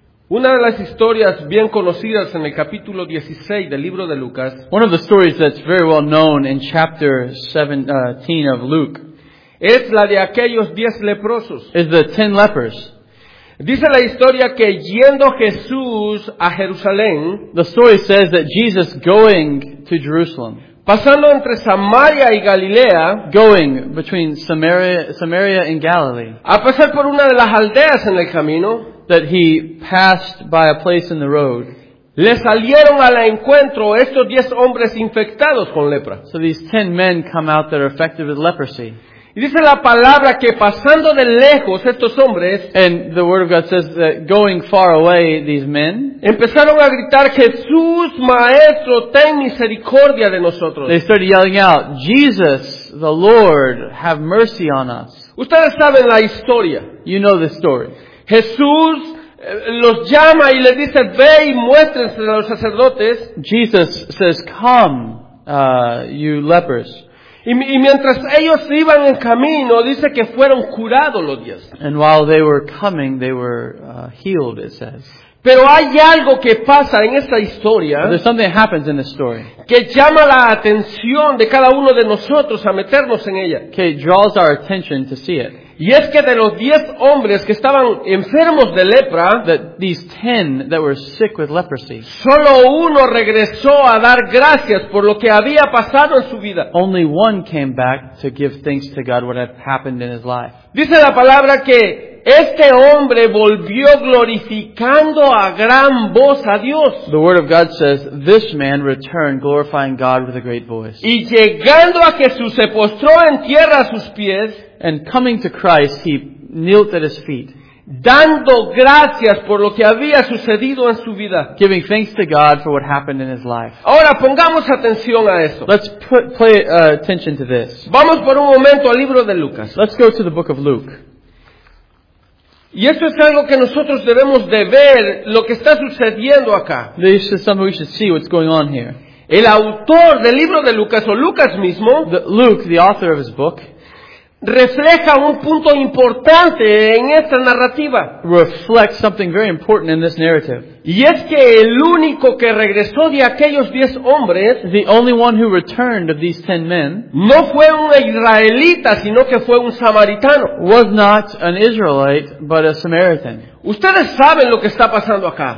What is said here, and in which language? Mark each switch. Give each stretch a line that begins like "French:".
Spanish: Una de las historias bien conocidas en el capítulo 16 del libro de Lucas.
English: One of the stories that's very well known in chapter 17 of Luke.
Spanish: Es la de aquellos 10 leprosos.
English: Is the 10 lepers.
Spanish: Dice la historia que yendo Jesús a Jerusalén,
English: the story says that Jesus going to Jerusalem,
Spanish: pasando entre Samaria y Galilea,
English: going between Samaria and Galilee,
Spanish: a pasar por una de las aldeas en el camino,
English: that he passed by a place in the road,
Spanish: le salieron al encuentro estos 10 hombres infectados con lepra.
English: So these 10 men come out that are affected with leprosy.
Spanish: Y dice la palabra que pasando de lejos estos hombres,
English: and the word of God says that going far away these men,
Spanish: empezaron a gritar, Jesús, Maestro, ten misericordia de nosotros.
English: They started yelling out, Jesus, the Lord, have mercy on us.
Spanish: Ustedes saben la historia.
English: You know the story.
Spanish: Jesús los llama y les dice, ve y muéstrense a los sacerdotes.
English: Jesus says, come, you lepers.
Spanish: Y mientras ellos iban en camino, dice que fueron curados los 10.
English: And while they were coming, they were healed, it says.
Spanish: Pero hay algo que pasa en esta historia,
English: there's something that happens in this story,
Spanish: que llama la atención de cada uno de nosotros a meternos en ella. Que
English: draws our attention to see it.
Spanish: Y es que de los 10 hombres que estaban enfermos de lepra,
English: that these 10 that were sick with leprosy,
Spanish: solo uno regresó a dar gracias por lo que había pasado en su vida.
English: Only one came back to give thanks to God what had happened in his life.
Spanish: Dice la palabra que este hombre volvió glorificando a gran voz a Dios.
English: The word of God says, this man returned glorifying God with a great voice.
Spanish: Y llegando a Jesús, se postró en tierra a sus pies.
English: And coming to Christ, he knelt at his feet.
Spanish: Dando gracias por lo que había sucedido en su vida.
English: Giving thanks to God for what happened in his life.
Spanish: Ahora pongamos atención a eso.
English: Let's pay attention to this.
Spanish: Vamos por un momento al libro de Lucas.
English: Let's go to the book of Luke.
Spanish: Y esto es algo que nosotros debemos de ver, lo que está sucediendo acá.
English: This is something we should see what's going on here.
Spanish: El autor del libro de Lucas, o Lucas mismo,
English: Luke, the author of his book,
Spanish: refleja un punto importante en esta narrativa.
English: Reflects something very important in this narrative.
Spanish: Y es que el único que regresó de aquellos 10 hombres,
English: the only one who returned of these 10 men,
Spanish: no fue un israelita, sino que fue un samaritano.
English: Was not an Israelite, but a Samaritan.
Spanish: Ustedes saben lo que está pasando acá.